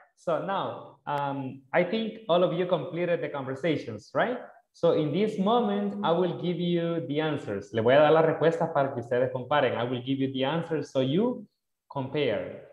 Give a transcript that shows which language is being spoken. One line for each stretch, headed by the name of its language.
English: So now, I think all of you completed the conversations, right? So in this moment, I will give you the answers.
Spanish: Le voy a dar las respuestas para que ustedes comparen.
English: I will give you the answers so you compare.